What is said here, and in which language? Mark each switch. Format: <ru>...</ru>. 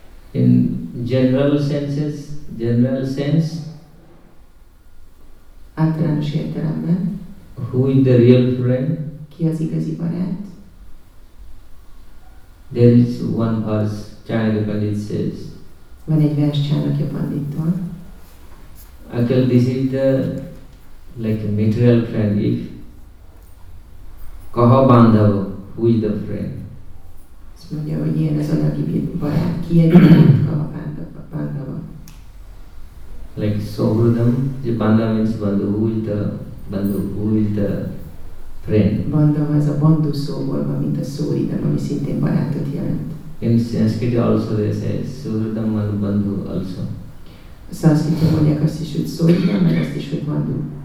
<en>In general sense,</en> <hu>általános értelemben,</hu> <en>who is the real friend?</en> <hu>Ki az igazi barát?</hu> <en>There is one verse. Chanakya Pandit says.</en> <hu>Van egy vers Chanakya Pandittól.</hu> <en>Akkor this is the like a material friend. If</en> <sa>kaha bandhav,</sa> <en>who is the friend?</en> <hu>Azt mondja, hogy ilyen az anyagi barát. Ki egy barát</hu> <sa>kaha bandhav?</sa> <en>Like sohrudam, the bandhav means bandhu. Who is the bandhu? Who is the friend?</en> <hu>Bandhav az a bandhu szóval van, mint a sohrudam, ami szintén barátot jelent.</hu> <en>In Sanskrit also they say Sohrudam Manu Bandhu also.</en> <hu>Sanskrit mondják azt is, hogy Sohrudam, meg azt is, hogy Bandhu.</hu>